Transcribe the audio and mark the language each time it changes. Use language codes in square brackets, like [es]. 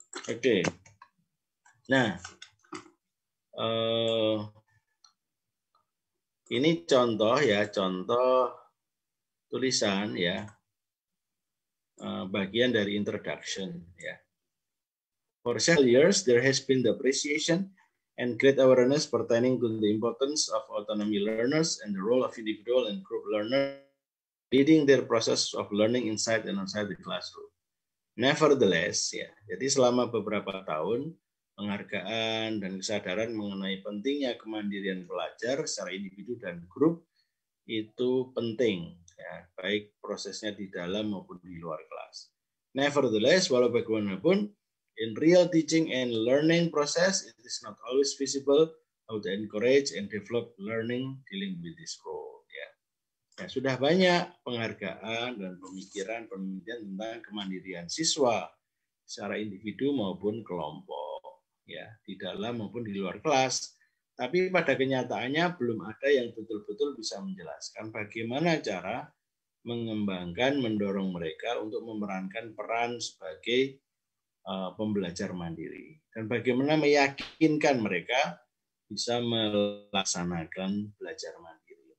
[id] Oke, nah. Ini contoh ya, contoh tulisan ya, bagian dari introduction ya. [en] For several years, there has been the appreciation and great awareness pertaining to the importance of autonomy learners and the role of individual and group learners leading their process of learning inside and outside the classroom. Nevertheless, [id] ya, jadi selama beberapa tahun, penghargaan dan kesadaran mengenai pentingnya kemandirian pelajar secara individu dan grup itu penting, ya, baik prosesnya di dalam maupun di luar kelas. [en] Nevertheless, [id] walau bagaimanapun, [en] in real teaching and learning process, it is not always visible how to encourage and develop learning dealing with this role. [id] Ya. Ya, sudah banyak penghargaan dan pemikiran-pemikiran tentang kemandirian siswa secara individu maupun kelompok. Ya, di dalam maupun di luar kelas, tapi pada kenyataannya belum ada yang betul-betul bisa menjelaskan bagaimana cara mengembangkan, mendorong mereka untuk memerankan peran sebagai pembelajar mandiri dan bagaimana meyakinkan mereka bisa melaksanakan belajar mandiri.